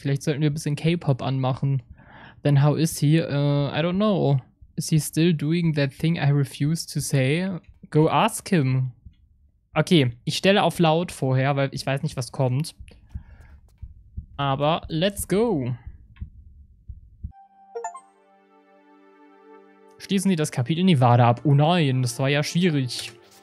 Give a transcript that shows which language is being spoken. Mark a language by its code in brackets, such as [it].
[de] Vielleicht sollten wir ein bisschen K-Pop anmachen. [en] Then how is he? I don't know. Is he still doing that thing I refuse to say? Go ask him. [de] Okay, ich stelle auf laut vorher, weil ich weiß nicht, was kommt. Aber [en] let's go. [de] Schließen Sie das Kapitel Nevada ab. Oh nein, das war ja schwierig.